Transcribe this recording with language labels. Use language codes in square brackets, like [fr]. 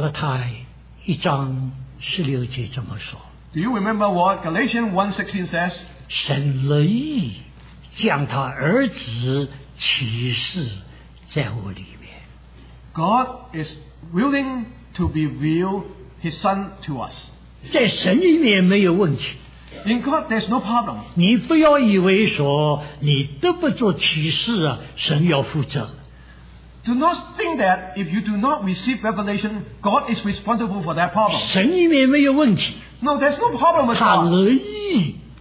[zh] 你记得加拉太1章16节怎么说？ [en] Do you remember what Galatians 1:16 says? [zh] 神乐意将他儿子启示在我里面。 [en] God is willing to be revealed His Son to us. [zh] 在神里面没有问题。 [en] In God, there's no problem. [zh] 你不要以为说你得不着启示啊， 神要负责。 [en] Do not think that if you do not receive revelation, God is responsible for that problem. [zh] 神里面没有问题。 [en] No, there's no problem with God.